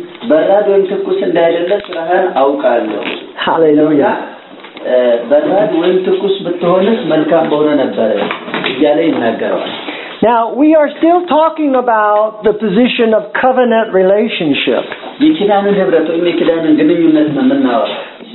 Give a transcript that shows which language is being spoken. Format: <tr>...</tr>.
<am>በራድ ወይም ትኩስ እንዳይደለ ስራህን አውቃለሁ</am> <en>hallelujah</en> <am>በራድ ወይም ትኩስ ብትሆንስ መልካም ሆነ ነበር እያለ ይናገራል</am> <en>Now we are still talking about the position of covenant relationship</en> <am>የኪዳን ህብረት ወይም የኪዳን ግንኙነት ነው የምናወራው</am>